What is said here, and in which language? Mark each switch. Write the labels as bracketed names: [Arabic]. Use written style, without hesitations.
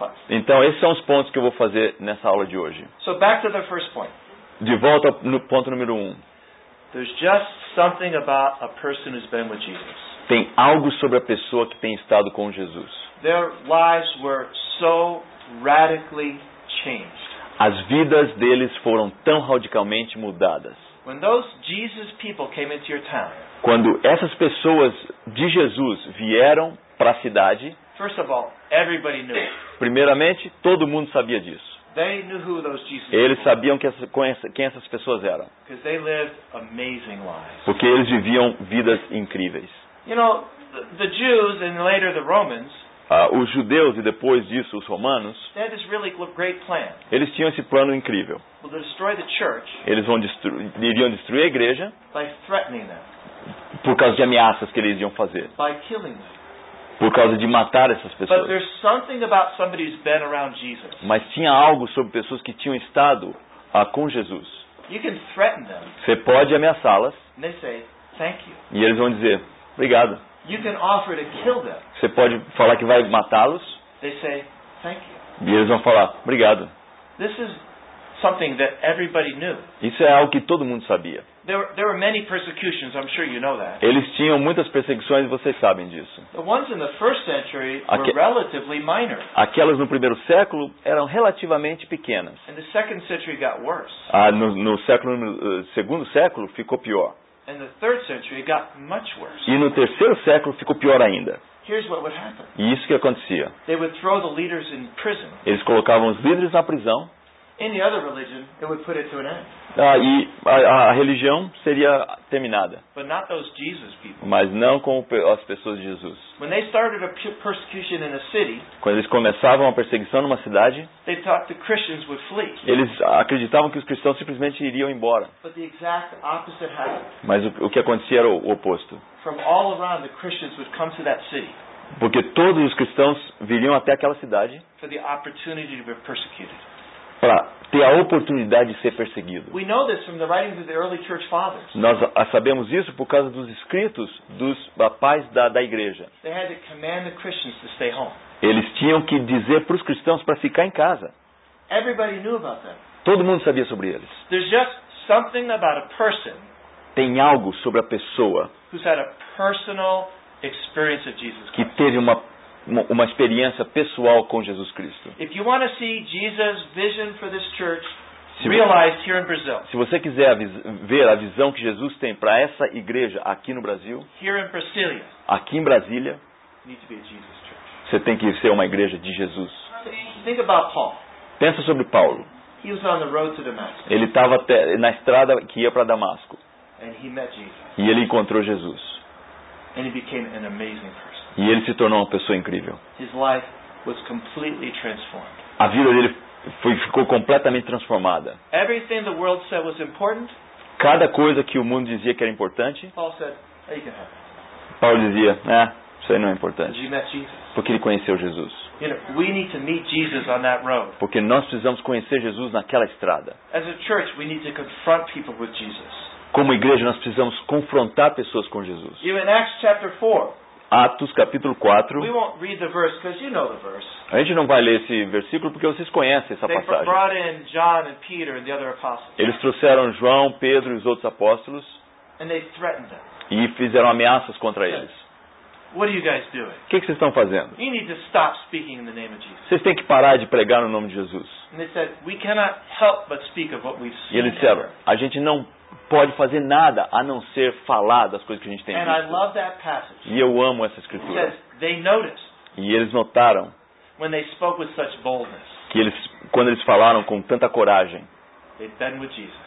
[Portuguese] Então, esses são os pontos que eu vou fazer nessa aula de hoje. [English] So back to the first point. [Portuguese] De volta no ponto número 1. [English] There's just something about a person who's been with Jesus. [Portuguese] Tem algo sobre a pessoa que tem estado com Jesus. [English] Their lives were so radically changed. [Portuguese] As vidas deles foram tão radicalmente mudadas. [English] When those Jesus people came into your town, [Portuguese] quando essas pessoas de Jesus vieram para a cidade, [English] first of all, everybody knew. [Portuguese] Primeiramente, todo mundo sabia disso. [English] They knew who those Jesus [Portuguese] eles sabiam quem essas pessoas eram. [English] Because they lived amazing lives. [Portuguese] Porque eles viviam vidas incríveis. [English] You know, the Jews and later the Romans, [Portuguese] os judeus e depois disso os romanos, [English] they had this really great plan. [Portuguese] Eles tinham esse plano incrível. [English] Well, they destroy the church, [Portuguese] eles iriam destruir a igreja [English] by threatening them. [Portuguese] Por causa de ameaças que eles iam fazer. [English] By killing them. [Portuguese] Por causa de matar essas pessoas. [English] But there's something about somebody who's been around Jesus. [Portuguese] Mas tinha algo sobre pessoas que tinham estado com Jesus. [English] You can threaten them. [Portuguese] Você pode ameaçá-las. [English] And they say, thank you. [Portuguese] E eles vão dizer, obrigado. [English] You can offer to kill them. [Portuguese] Você pode falar que vai matá-los. [English] They say, thank you. [Portuguese] E eles vão falar, obrigado. [English] This is something that everybody knew. [Portuguese] Isso é algo que todo mundo sabia. [English] There were many persecutions, I'm sure you know that. [Portuguese] Eles tinham muitas perseguições, vocês sabem disso. [English] The ones in the first century were relatively minor. [Portuguese] Aquelas no primeiro século eram relativamente pequenas. [English] And the second century got worse. [Portuguese] No segundo século ficou pior. [English] And the third century got much worse. [Portuguese] E no terceiro século ficou pior ainda. [English] Here's what would happen. [Portuguese] E isso que acontecia. [English] They would throw the leaders in prison. [Portuguese] Eles colocavam os líderes na prisão. [English] Any other religion, it would put it to an end. [Portuguese] E a religião seria terminada. [English] But not those Jesus people. [Portuguese] Mas não com as pessoas de Jesus. [English] When they started a persecution in a city, [Portuguese] quando eles começavam a perseguição numa cidade, [English] they thought the Christians would flee. [Portuguese] Eles acreditavam que os cristãos simplesmente iriam embora. [English] But the exact opposite happened. [Portuguese] Mas o que acontecia era o oposto. [English] From all around, the Christians would come to that city. [Portuguese] Porque todos os cristãos viriam até aquela cidade [English] for the opportunity to be persecuted. [Portuguese] Para ter a oportunidade de ser perseguido. [English] We know this from the writings of the early church fathers. [Portuguese] Nós sabemos isso por causa dos escritos dos pais da igreja. [English] They had to command the Christians to stay home. [Portuguese] Eles tinham que dizer para os cristãos para ficar em casa. [English] Everybody knew about them. [Portuguese] Todo mundo sabia sobre eles. [English] There's just something about a person. [Portuguese] Tem algo sobre a pessoa [English] who's had a personal experience of Jesus Christ. [Portuguese] Que teve uma experiência pessoal com Jesus Cristo. [English] If you want to see Jesus' vision for this church realized here in Brazil. [Portuguese] Se você quiser ver a visão que Jesus tem para essa igreja aqui no Brasil. [English] Here in Brasília. [Portuguese] Aqui em Brasília. [English] Need to be a Jesus church. [Portuguese] Você tem que ser uma igreja de Jesus. [English] Think about Paul. [Portuguese] Pensa sobre Paulo. [English] He was on the road to Damascus. [Portuguese] Ele estava na estrada que ia para Damasco. [English] And he met Jesus. [Portuguese] E ele encontrou Jesus. [English] And he became an amazing person. [Portuguese] E ele se tornou uma pessoa incrível. [English] His life was completely transformed. [Portuguese] A vida dele ficou completamente transformada. [English] Everything the world said was important. [Portuguese] Cada coisa que o mundo dizia que era importante. [English] Paul said, hey, you can have it. [Portuguese] Paulo dizia, Isso aí não é importante. Porque ele conheceu Jesus. [English] You know, we need to meet Jesus on that road. [Portuguese] Porque nós precisamos conhecer Jesus naquela estrada. [English] As a church, we need to confront people with Jesus. [Portuguese] Como igreja, nós precisamos confrontar pessoas com Jesus. [English] In Acts chapter 4, [Portuguese] Atos capítulo 4. [English] We won't read the verse, 'cause you know the verse. [Portuguese] A gente não vai ler esse versículo porque vocês conhecem essa passagem. [English] They brought in John and Peter and the other apostles. [Portuguese] Eles trouxeram João, Pedro e os outros apóstolos. [English] And they threatened them. [Portuguese] E fizeram ameaças contra eles. [English] What are you guys doing? [Portuguese] O que vocês estão fazendo? [English] You need to stop speaking in the name of Jesus. [Portuguese] Vocês têm que parar de pregar no nome de Jesus. [English] And they said, we cannot help but speak of what we've seen. [Portuguese] E eles disseram, a gente não pode fazer nada a não ser falar das coisas que a gente tem [English] and [Portuguese] visto. [English] I love that passage. [Portuguese] E eu amo essa escritura. [English] It says, they noticed. [Portuguese] E eles notaram [English] when they spoke with such boldness. [Portuguese] Que eles, quando eles falaram com tanta coragem, [English] they'd been with Jesus.